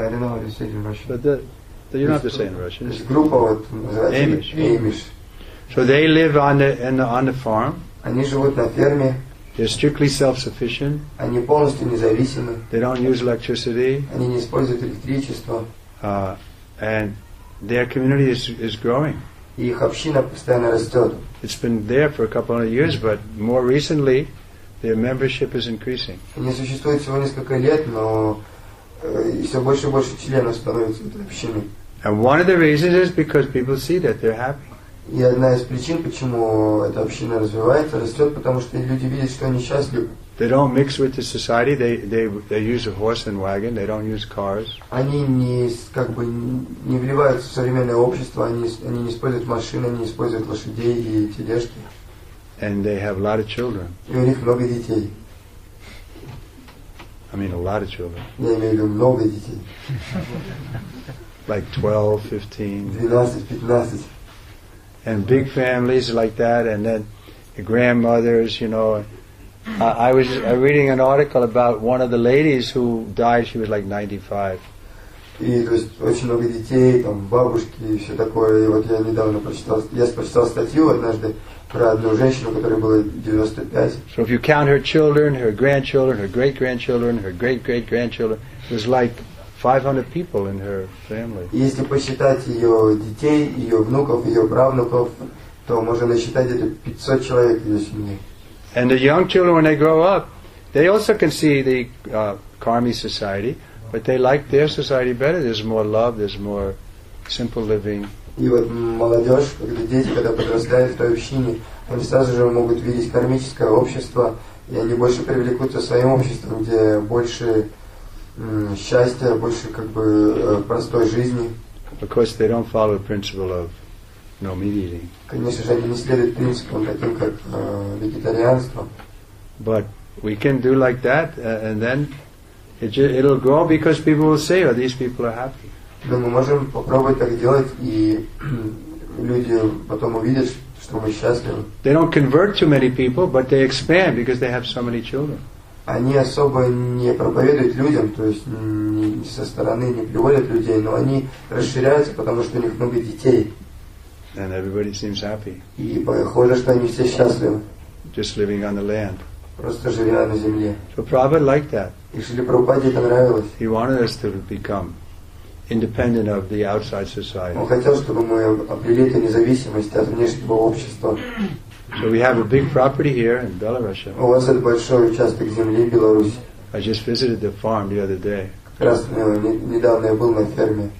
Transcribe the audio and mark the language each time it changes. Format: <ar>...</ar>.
<en>I don't know how to say it in Russian. But the, you don't have to say it in Russian. This</en> <ru>группа вот</ru> <en>Amish. Amish. So they live on the, in the on the farm.</en> <ru>Они живут на ферме.</ru> <en>They're strictly self-sufficient.</en> <ru>Они полностью независимы.</ru> <en>They don't use electricity.</en> <ru>Они не используют электричество.</ru> <en>And their community is growing.</en> <ru>Их община постоянно растет.</ru> <en>It's been there for a couple hundred years, but more recently, their membership is increasing.</en> <ru>Они существуют всего несколько лет, но все больше и больше членов становится этой общины.</ru> <en>And one of the reasons is because people see that they're happy.</en> <ru>И одна из причин, почему эта община развивается, растет, потому что люди видят, что они счастливы.</ru> <en>They don't mix with the society. They use a horse and wagon. They don't use cars.</en> <ru>Они не как бы не вливаются в современное общество. Они не используют машины, не используют лошадей и тележки.</ru> <en>And they have a lot of children.</en> <ru>И у них много детей.</ru> <en>I mean, a lot of children.</en> <ru>Я имею в виду много детей.</ru> <en>Like 12, 15.</en> <ru>12, 15.</ru> <en>And big families like that, and then the grandmothers, you know. I was reading an article about one of the ladies who died. She was like 95.</en> <ru>И то есть очень много детей, там бабушки и все такое. И вот я недавно прочитал, я прочитал статью однажды про одну женщину, которой было 95.</ru> <en>So if you count her children, her grandchildren, her great grandchildren, her great great grandchildren, it was like 500 people in her family.</en> <ru>Если посчитать ее детей, ее внуков, ее правнуков, то можно насчитать где-то 500 человек в ее семье.</ru> <en>And the young children, when they grow up, they also can see the Karmi society, but they like their society better. There's more love, there's more simple living.</en> <ru>И вот молодежь, когда дети, когда подрастают в той общине, они сразу же могут видеть кармическое общество, и они больше привлекутся своим обществом, где больше счастья, больше как бы простой жизни.</ru> <en>Of course, they don't follow the principle of no meat eating.</en> <ru>Конечно же, они не следуют принципам таким как вегетарианство.</ru> <en>But we can do like that, and then it'll grow because people will say, "Oh, these people are happy."</en> <ru>Но мы можем попробовать так делать, и люди потом увидят, что мы счастливы.</ru> <en>They don't convert too many people, but they expand because they have so many children.</en> <ru>Они особо не проповедуют людям, то есть не со стороны не приводят людей, но они расширяются, потому что у них много детей.</ru> <en>And everybody seems happy.</en> <ru>И похоже, что они все счастливы.</ru> <en>Just living on the land.</en> <ru>Просто живя на земле.</ru> <en>So Prabhupada liked that.</en> <ru>И Шрила Прабхупаде это нравилось.</ru> <en>He wanted us to become independent of the outside society.</en> <ru>Он хотел, чтобы мы обрели эту независимость от внешнего общества.</ru> <en>So we have a big property here in Belarusia.</en> <ru>У вас это большой участок земли в Беларуси.</ru> <en>I just visited the farm the other day.</en> <ru>Как раз недавно я был на ферме.</ru>